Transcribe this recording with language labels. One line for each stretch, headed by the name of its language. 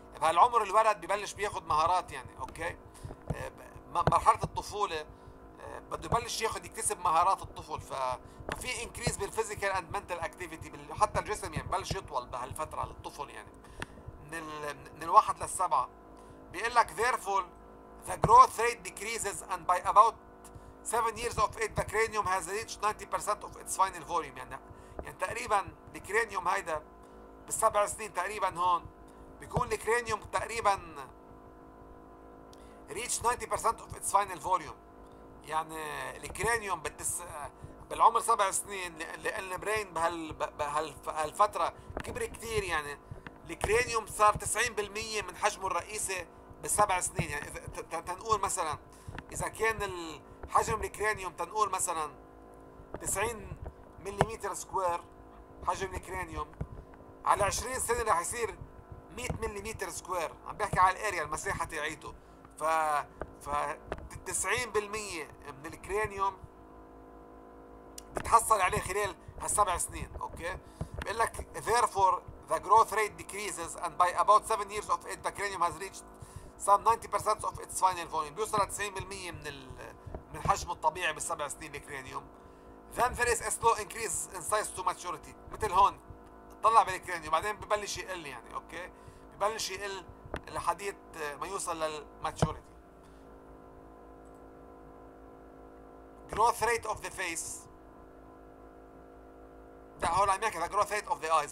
Arabic: بهالعمر الولد ببلش بياخد مهارات يعني اوكي مرحلة الطفولة بده يبلش ياخد يكتسب مهارات الطفل. ففي increase بال
English: physical and mental activity
Arabic: حتى الجسم يعني بلش يطول بهالفترة للطفل يعني من الواحد للسبعة. بيقول لك
English: therefore the growth rate decreases and by about 7 years of age the cranium has reached 90% of its final volume.
Arabic: يعني تقريبا الكرانيوم هيدا بالسبع سنين تقريبا هون بيكون الكرانيوم تقريبا
English: reach 90% of its final volume.
Arabic: يعني الكرانيوم بالعمر سبع سنين لان البرين بهالفتره كبر كثير يعني الكرانيوم صار 90% من حجمه الرئيسي بسبع سنين. يعني تنقول مثلا اذا كان حجم الكرانيوم تنقول مثلا 90 مليمتر سكوير حجم الكرانيوم على 20 سنه راح يصير 100 مليمتر سكوير. عم بحكي على الاريا المساحه تاعيته. ف 90% من الكرانيوم بتحصل عليه خلال هالسبع سنين. اوكي بقول لك
English: therefore the growth rate decreases and by about 7 years of age the cranium has reached some 90% of its final volume.
Arabic: بيوصل 90% من حجمه الطبيعي بالسبع سنين الكرانيوم.
English: Then there is a slow increase in size to maturity.
Arabic: مثل هون طلع بالكرانيوم بعدين ببلش يقل يعني اوكي ببلش يقل لحديت ما يوصل للماتشوريتي.
English: Growth rate of the face
Arabic: ده هو عم يحكي
English: The growth rate of the eyes.